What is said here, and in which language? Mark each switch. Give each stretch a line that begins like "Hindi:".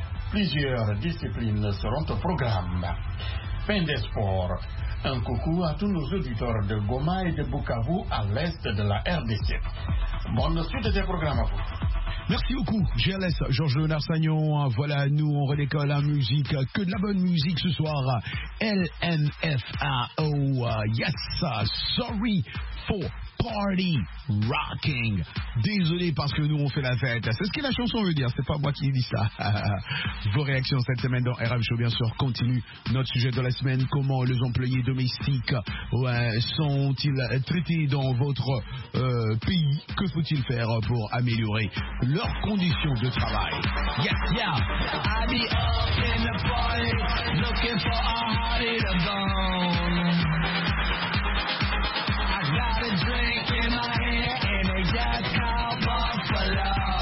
French: Plusieurs disciplines seront au programme. Fin des sports. Un coucou à tous nos auditeurs de Goma et de Bukavu à l'est de la RDC. Bonne suite des programmes à vous. Merci beaucoup, GLS, Georges Léonard Sagnon. Voilà, nous, on redécolle la musique. Que de la bonne musique ce soir. LMFAO.
English: Yes, sorry for party rocking.
French: Désolé parce que nous, on fait la fête. C'est ce que la chanson veut dire. C'est pas moi qui ai dit ça. Vos réactions cette semaine dans RM Show, bien sûr, continue. Notre sujet de la semaine, comment les employés domestiques sont-ils traités dans votre pays? Que faut-il faire pour améliorer leurs conditions de travail?
English: Yeah, yeah. I'll be up in the party, looking for a hearty to bone. I got a drink in my hand, and it just called Buffalo.